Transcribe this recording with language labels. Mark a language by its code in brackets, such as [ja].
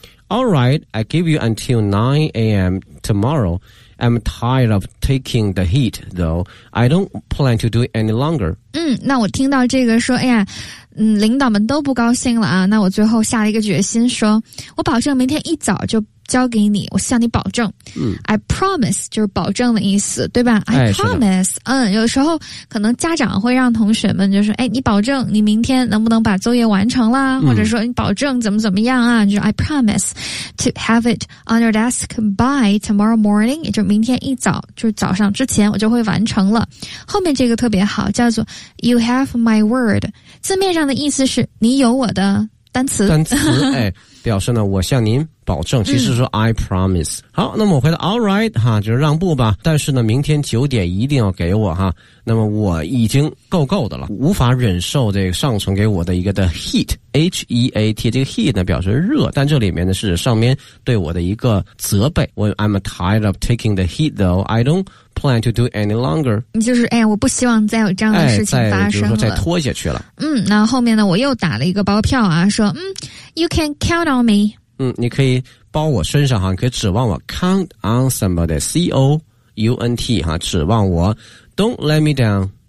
[en] All right, I give you until 9 a.m. tomorrow. I'm tired of taking the heat, though. I don't plan to do it any longer. [zh] 嗯，那我听到这个说，哎呀。嗯，领导们都不高兴了啊，那我最后下了一个决心，说我保证明天一早就交给你，我向你保证、嗯、 [en] I promise [zh] 就是保证的意思，对吧、哎、 [en] I promise 嗯，有时候可能家长会让同学们就说，哎，你保证你明天能不能把作业完成啦、嗯、或者说你保证怎么怎么样啊，就是 I promise to have it on your desk by tomorrow morning, [zh] 也就是明天一早，就是早上之前我就会完成了。后面这个特别好，叫做 [en] You have my word, [zh] 字面上的意思是你有我的单词、哎、表示呢我向您保证，其实说 [en] I promise、 [zh] 嗯、好，那么我回到 [en] All right [zh] 哈，就是让步吧，但是呢明天九点一定要给我哈，那么我已经够够的了，无法忍受这个上层给我的一个的 heat H-E-A-T, 这个 heat 呢表示热，但这里面呢是上面对我的一个责备。 [en] I'm tired of taking the heat though, I don't plan to do any longer, [zh] 就是哎，我不希望再有这样的事情发生了、哎、比如说再拖下去了。嗯，那后面呢我又打了一个包票啊，说嗯 [en] You can count on me, [zh] 嗯，你可以包我身上哈，可以指望我 [en] count on somebody, [zh] C-O-U-N-T 哈，指望我 [en] don't let me down,